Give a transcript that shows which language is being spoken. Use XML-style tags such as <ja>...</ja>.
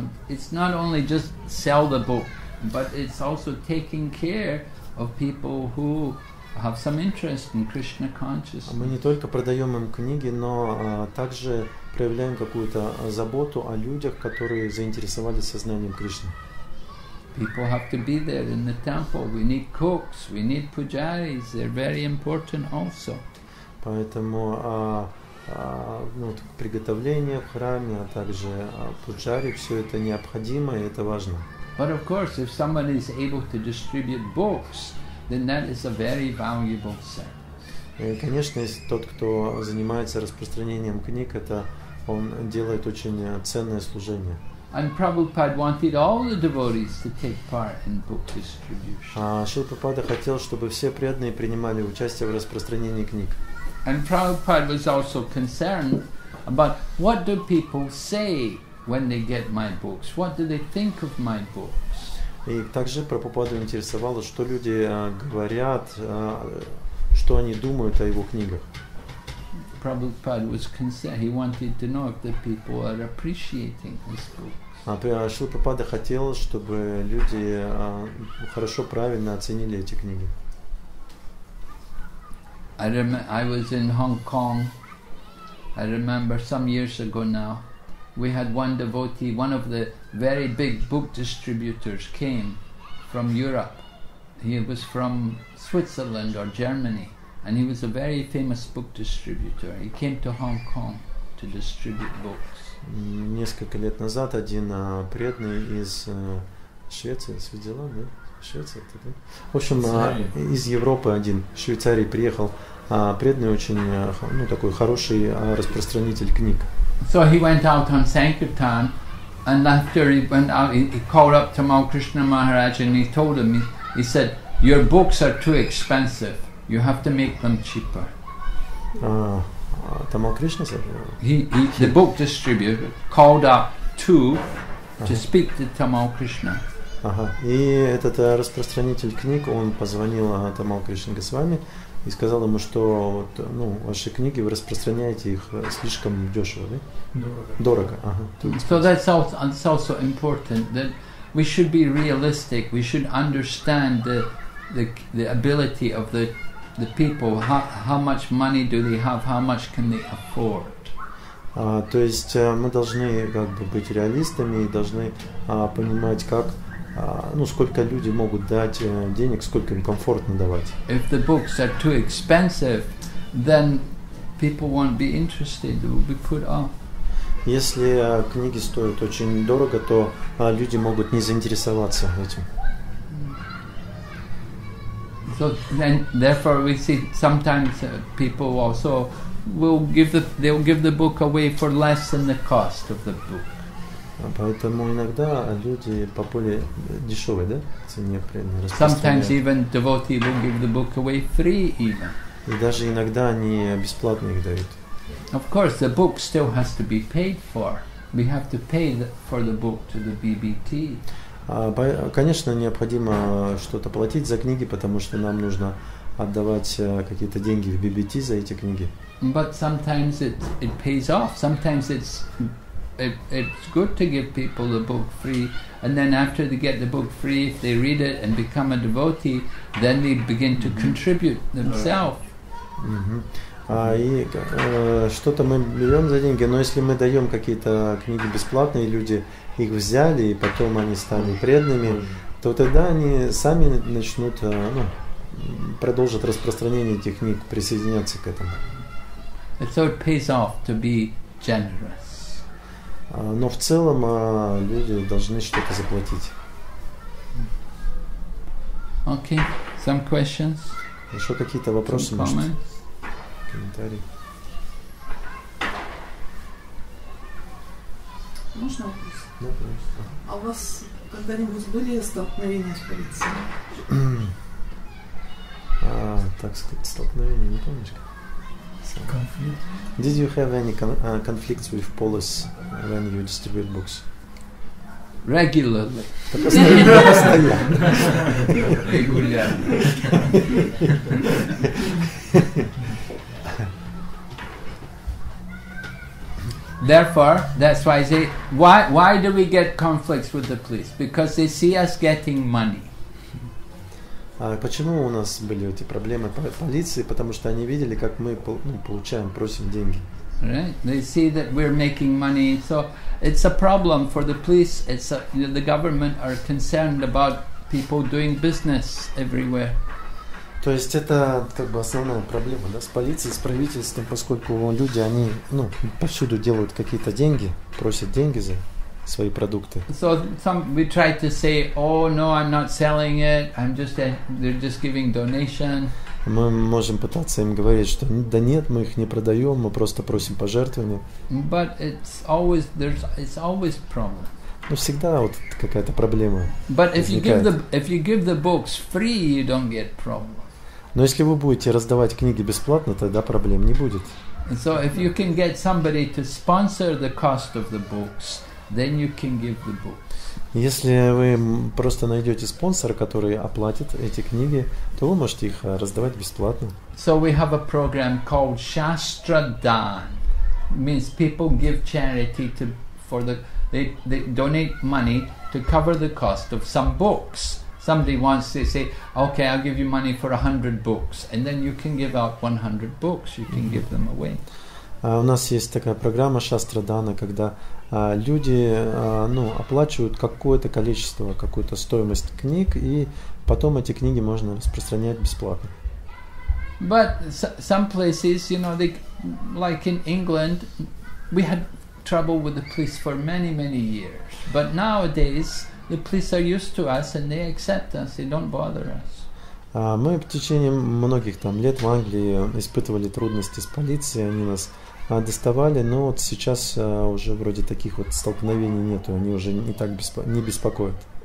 <en>It's not only just sell the book, but it's also taking care of people who have some interest in Krishna consciousness.</en> <ru>Мы не только продаем им книги, но также проявляем какую-то заботу о людях, которые заинтересовались сознанием Кришны.</ru> <en>People have to be there in the temple. We need cooks, we need pujaris. They're very important also.</en> <ru>Поэтому приготовление в храме, а также пуджари, все это необходимо и это важно.</ru> <en>But of course, if somebody is able to distribute books, then that is a very valuable service.</en> <ru>Конечно, если тот, кто занимается распространением книг, это он делает очень ценное служение.</ru> <en>And Prabhupada wanted all the devotees to take part in book distribution.</en> <ru>Шрила Прабхупада хотел, чтобы все преданные принимали участие в распространении книг.</ru> <en>And Prabhupada was also concerned about what do people say when they get my books? What do they think of my books?</en> <ru>И также Прабхупаду интересовало, что люди говорят, что они думают о его книгах.</ru> <en>Prabhupada was concerned. He wanted to know if the people are appreciating his books.</en> <ru>Шрила Прабхупада хотел, чтобы люди хорошо, правильно оценили эти книги.</ru> <en>I was in Hong Kong. I remember some years ago now. We had one devotee, one of the very big book distributors came from Europe. He was from Switzerland or Germany, And he was a very famous book distributor. He came to Hong Kong to distribute books.</en> <ru>Несколько лет назад один преданный из Швеции, Свидела, да? Швеция, это, да? В общем, из Европы один, в Швейцарии приехал. Преданный очень, ну, такой хороший распространитель книг.</ru> <en>So he went out on Sankirtan, and after he went out, he called up Tamal Krishna Maharaj, and he told him, he said, your books are too expensive, you have to make them cheaper. Tamal Krishna said? The book distributor called up to speak to Tamal Krishna.</en> <ru>И этот распространитель книг, он позвонил Тамал Кришна Госвами и сказал ему, что вот, ну, ваши книги, вы распространяете их слишком дешево, да? Дорого. Дорого, ага.</ru> <en>So that's also important, that we should be realistic, we should understand the ability of the people, how much money do they have, how much can they afford.</en> <ru>То есть мы должны как бы быть реалистами и должны понимать, как ну, сколько люди могут дать денег, сколько им комфортно давать.</ru> <en>If the books are too expensive, then people won't be interested, they will be put off.</en> <ru>Если книги стоят очень дорого, то люди могут не заинтересоваться этим.</ru> <en>So then, therefore, we see sometimes people also will give they will give the book away for less than the cost of the book.</en> <ru>Поэтому иногда люди по поле дешевой, да, цене распространяют.</ru> <en>Sometimes even devotee will give the book away free even.</en> <ru>И даже иногда они бесплатно их дают.</ru> <en>Of course, the book still has to be paid for. We have to pay for the book to the BBT.</en> <ru>Конечно, необходимо что-то платить за книги, потому что нам нужно отдавать какие-то деньги в BBT за эти книги.</ru> <en>But sometimes it pays off. Sometimes it's good to give people the book free, and then after they get the book free, if they read it and become a devotee, then they begin to contribute themselves.</en> <ru>Что-то мы берем за деньги, но если мы даем какие-то книги бесплатные, люди их взяли и потом они стали преданными, то тогда они сами начнут, ну, продолжат распространение этих книг, присоединяться к этому.</ru> <en>And so it pays off to be generous.</en> <ru>Но в целом люди должны что-то заплатить.</ru> <en>Okay, some questions.</en> <ru>Еще какие-то вопросы,</ru> <en>some comments?</en> <ru>Может? Комментарии. Можно вопрос? Да, пожалуйста. А у вас когда-нибудь были столкновения с полицией? Так сказать, столкновения, не помнишь?</ru> <en>Conflict. Did you have any conflicts with police when you distribute books? Regularly. Regularly. Therefore, that's why I say, why do we get conflicts with the police? Because they see us getting money.</en> <ru>Почему у нас были эти проблемы полиции? Потому что они видели, как мы, ну, получаем, просим деньги.</ru> <en>Right. They see that we're making money, so it's a problem for the police. It's the government are concerned about people doing business everywhere.</en> <ru>То есть это как бы основная проблема, да, с полицией, с правительством, поскольку люди, они, ну, повсюду делают какие-то деньги, просят деньги за свои продукты.</ru> <en>So some we try to say, oh no, I'm not selling it. I'm just they're just giving donation.</en> <ru>Мы можем пытаться им говорить, что да нет, мы их не продаем, мы просто просим пожертвования.</ru> <en>But it's always problem.</en> <ru>Но всегда вот какая-то проблема.</ru> <en>But if you give the books free, you don't get problem.</en> <ru>Но если вы будете раздавать книги бесплатно, тогда проблем не будет.</ru> <en>So if you can get somebody to sponsor the cost of the books, then you can give the books.</en> <ru>Если вы просто найдете спонсора, который оплатит эти книги, то вы можете их раздавать бесплатно.</ru> <en>So we have a program called Shastra Dan. Means people give charity to for the they donate money to cover the cost of some books. Somebody wants to say, okay, I'll give you money for 100 books, and then you can give out 100 books. You can give them away.</en> <ru>У нас есть такая программа Шастра Дана, когда люди, ну, оплачивают какое-то количество, какую-то стоимость книг, и потом эти книги можно распространять бесплатно.</ru> <en>But some places, you know, they, like in England, we had trouble with the police for many, many years. But nowadays, the police are used to us and they accept us, they don't bother us.</en> <ru>Мы в течение многих там лет в Англии испытывали трудности с полицией, они нас доставали, но вот сейчас уже вроде таких вот столкновений нету, они уже не так не беспокоят.</ru>